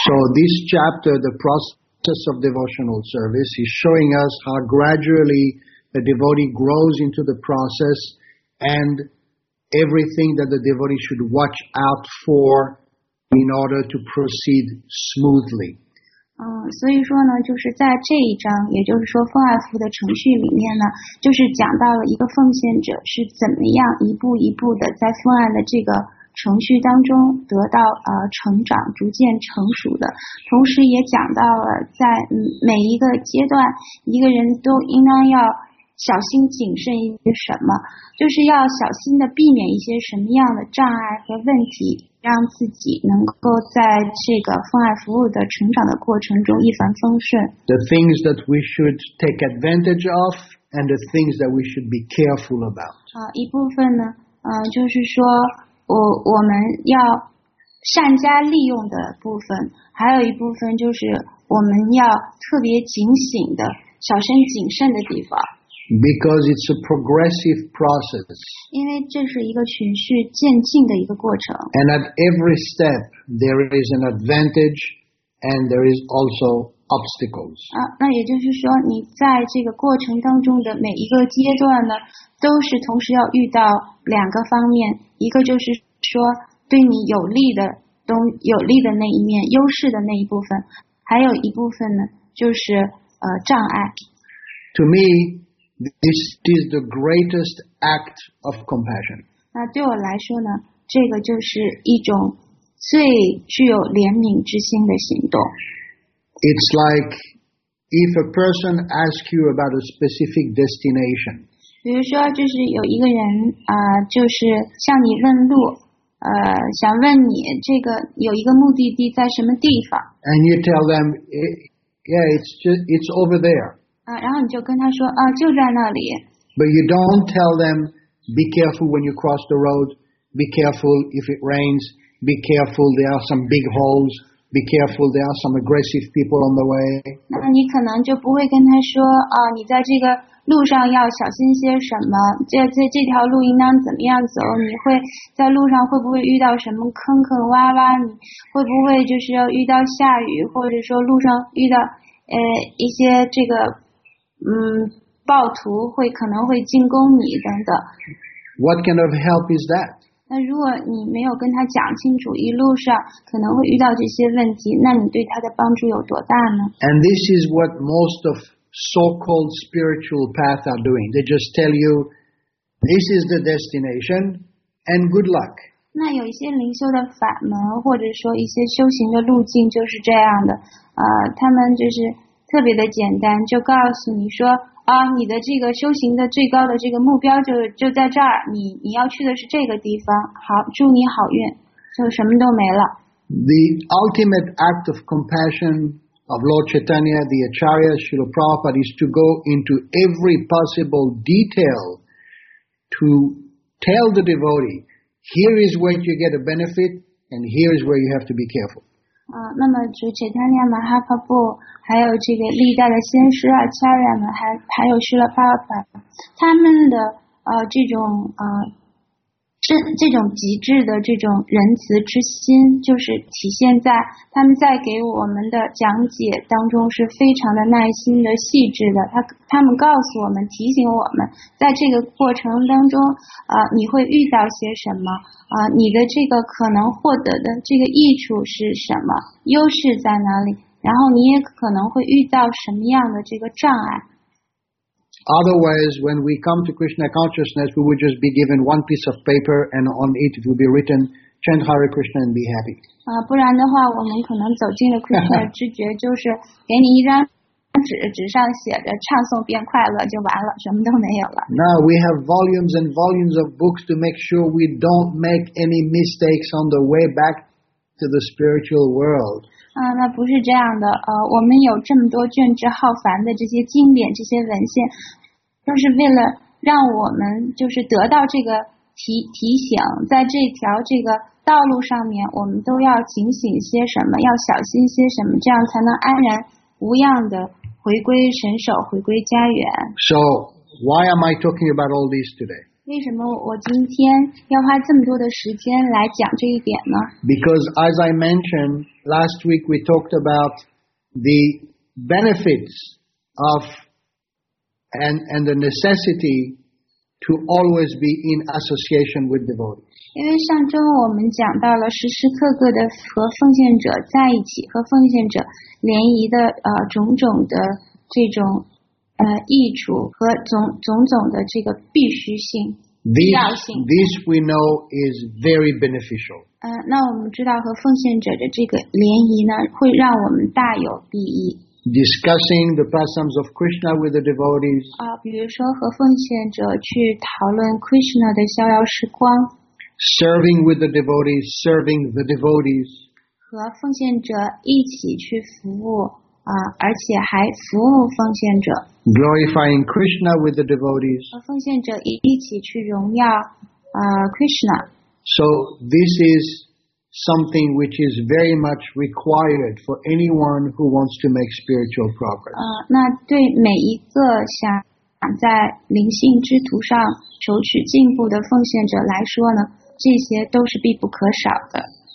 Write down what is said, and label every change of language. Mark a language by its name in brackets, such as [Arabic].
[English] So this chapter, the process of devotional service, is showing us how gradually,The devotee grows into the process and everything that the devotee should watch out for in order to proceed smoothly. [Chinese] 所以说呢，就是在这一章，也就是说奉爱服的程序里面呢，就是讲到了一个奉献者是怎么样一步一步的在奉爱的这个程序当中得到成长，逐渐成熟的，同时也讲到了在每一个阶段，一个人都应当要小心谨慎一些什么，就是要小心的避免一些什么样的障碍和问题，让自己能够在这个奉爱服务的成长的过程中一帆风顺。 [English] The things that we should take advantage of and the things that we should be careful about. [Chinese] 一部分呢，就是说我们要善加利用的部分，还有一部分就是我们要特别警醒的小心谨慎的地方。 [English] Because it's a progressive process. [Chinese] 因为这是一个循序渐进的一个过程。 [English] And at every step, there is an advantage and there is also obstacles. [Chinese] 啊，那也就是说，你在这个过程当中的每一个阶段呢，都是同时要遇到两个方面，一个就是说对你有利的东，有利的那一面，优势的那一部分，还有一部分呢，就是障碍。 [English] To me,This is the greatest act of compassion. [Chinese] 那对我来说呢，这个就是一种最具有怜悯之心的行动。 [English] It's like if a person asks you about a specific destination. [Chinese] 比如说，就是有一个人就是向你问路，想问你这个有一个目的地在什么地方。 [English] And you tell them, yeah, it's over there. [Chinese] 然后你就跟他说啊，就在那里。 [English] But you don't tell them, be careful when you cross the road, be careful if it rains, be careful there are some big holes, be careful there are some aggressive people on the way. [Chinese] 那你可能就不会跟他说啊，你在这个路上要小心些什么，这条路应当怎么样走，你会在路上会不会遇到什么坑坑洼洼，你会不会就是遇到下雨，或者说路上遇到一些这个暴徒会可能会进攻你等等。 [English] What kind of help is that? [Chinese] 那如果你没有跟他讲清楚一路上可能会遇到这些问题，那你对他的帮助有多大呢？ [English] And this is what most of so-called spiritual paths are doing. They just tell you, this is the destination and good luck. [Chinese] 那有一些灵修的法门或者说一些修行的路径就是这样的。他们就是特别的简单，就告诉你说啊，你的这个修行的最高的这个目标就在这儿，你要去的是这个地方。好，祝你好运，就什么都没了。 [English] The ultimate act of compassion of Lord Chaitanya, the Acharya, Srila Prabhupada, is to go into every possible detail to tell the devotee, here is where you get a benefit, and here is where you have to be careful. [Chinese] 那么主切坦尼亚马哈帕布还有这个历代的先师啊恰瑞亚们还有施拉巴拉巴他们的这种极致的这种仁慈之心就是体现在他们在给我们的讲解当中是非常的耐心的细致的他们告诉我们提醒我们在这个过程当中你会遇到些什么你的这个可能获得的这个益处是什么优势在哪里然后你也可能会遇到什么样的这个障碍 [English] Otherwise, when we come to Krishna consciousness, we would just be given one piece of paper and on it would be written, chant Hare Krishna and be happy. [Chinese] 不然的话我们可能走进了 Krishna 知觉就是给你一张纸上写着唱诵便快乐就完了什么都没有了。 [English] Now we have volumes and volumes of books to make sure we don't make any mistakes on the way back to the spiritual world. [Chinese] 那不是这样的我们有这么多卷帙浩繁的这些经典这些文献都是为了让我们就是得到这个提醒在这条这个道路上面我们都要警醒些什么要小心些什么这样才能安然无恙的回归神首回归家园。 [English] So, why am I talking about all these today? [Chinese] 为什么我今天要花这么多的时间来讲这一点呢 [English] ？Because as I mentioned last week, we talked about the benefits of and the necessity to always be in association with devotees. [Chinese] 因为上周我们讲到了时时刻刻的和奉献者在一起，和奉献者联谊的种种的这种。益处和种种的这个必须性必要性 [English] this we know is very beneficial. [Chinese] 那我们知道和奉献者的这个联谊呢，会让我们大有裨益。 [English] Discussing the pastimes of Krishna with the devotees. [Chinese] 比如说和奉献者去讨论 Krishna 的逍遥时光。 [English] Serving with the devotees, serving the devotees. [Chinese] 和奉献者一起去服务。而且还服务奉献者 [English] glorifying Krishna with the devotees [Chinese] 和奉献者一起去荣耀Krishna [English] so this is something which is very much required for anyone who wants to make spiritual progress. [Chinese] 那对每一个想在灵性之途上求取进步的奉献者来说呢，这些都是必不可少的。